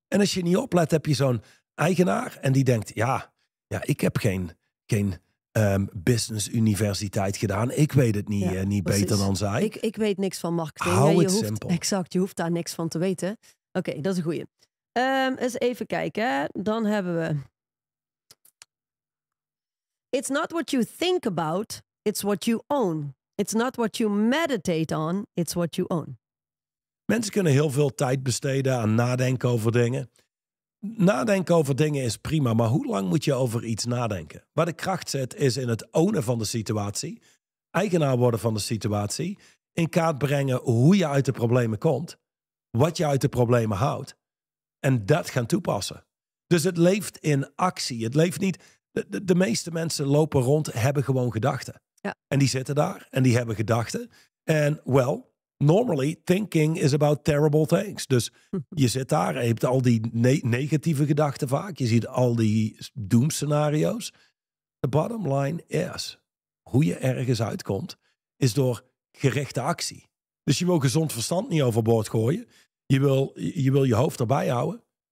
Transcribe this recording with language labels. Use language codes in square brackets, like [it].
[nl] En als je niet oplet, heb je zo'n eigenaar en die denkt, ja ik heb geen business universiteit gedaan. Ik weet het niet beter dan zij. Ik weet niks van marketing. Hou het simpel. Exact, je hoeft daar niks van te weten. Oké, dat is een goeie. Eens even kijken, dan hebben we... [en] It's not what you think about, it's what you own. It's not what you meditate on, it's what you own. [nl] Mensen kunnen heel veel tijd besteden aan nadenken over dingen. Nadenken over dingen is prima, maar hoe lang moet je over iets nadenken? Waar de kracht zit is in het ownen van de situatie, eigenaar worden van de situatie, in kaart brengen hoe je uit de problemen komt, wat je uit de problemen houdt, en dat gaan toepassen. Dus het leeft in actie, het leeft niet... De meeste mensen lopen rond, hebben gewoon gedachten. Ja. En die zitten daar en die hebben gedachten. En [en] well, normally thinking is about terrible things. [nl] Dus je zit daar en je hebt al die negatieve gedachten vaak. Je ziet al die doemscenario's. [en] The bottom line is, [nl] hoe je ergens uitkomt, is door gerichte actie. Dus je wil gezond verstand niet overboord gooien. Je wil je hoofd erbij houden.